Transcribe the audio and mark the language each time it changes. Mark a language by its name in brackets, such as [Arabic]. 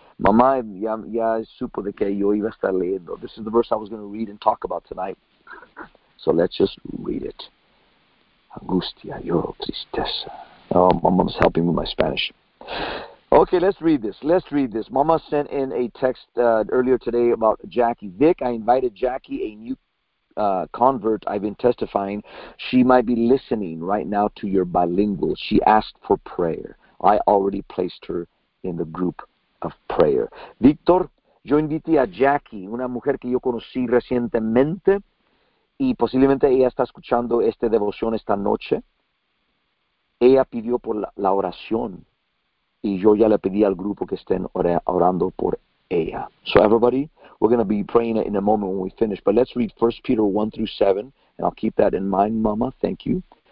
[Spanish] Mamá ya supo de que yo iba a estar leyendo. [English] This is the verse I was going to read and talk about tonight. So let's just read it. Angustia, lloro, tristeza. Oh, Mama's helping with my Spanish. Okay, let's read this. Let's read this. Mama sent in a text earlier today about Jackie Vick. I invited Jackie, a new convert I've been testifying. She might be listening right now to your bilingual. She asked for prayer. I already placed her in the group of prayer. [Spanish] Víctor, yo invité a Jackie, una mujer que yo conocí recientemente, y posiblemente ella está escuchando esta devoción esta noche. Ella pidió por la oración, y yo ya le pedí al grupo que estén orando por ella. [English] So everybody, we're going to be praying in a moment when we finish, but let's read 1 Peter 1 through 7, and I'll keep that in mind, Mama, thank you.